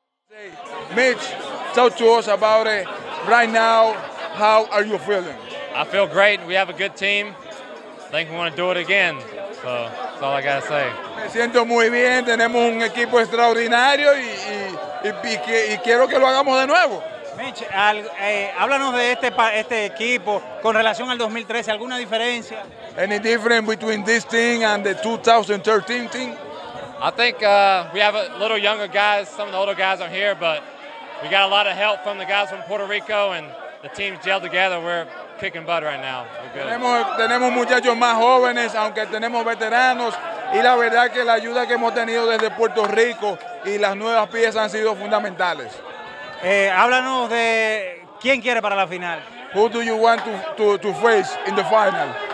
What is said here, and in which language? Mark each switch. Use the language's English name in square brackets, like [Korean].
[English] Hey, Mitch, talk to us about it right now. How are you feeling? I feel great. We have a good team. I think we want to do it again. So that's all I got to say. [Spanish] Me siento muy bien. Tenemos un equipo extraordinario y quiero que lo hagamos de nuevo. Mitch, háblanos de este equipo con relación al 2013. ¿Alguna diferencia? [English] Any difference between this team and the 2013 team? I think we have a little younger guys. Some of the older guys are here, but we got a lot of help from the guys from Puerto Rico, and the team's gelled together. We're kicking butt right now. [Spanish] Tenemos muchachos más jóvenes, aunque tenemos veteranos, y la verdad que la ayuda que hemos tenido desde Puerto Rico y las nuevas piezas han sido fundamentales. Háblanos de quién quiere para la final. [English] Who do you want to face in the final?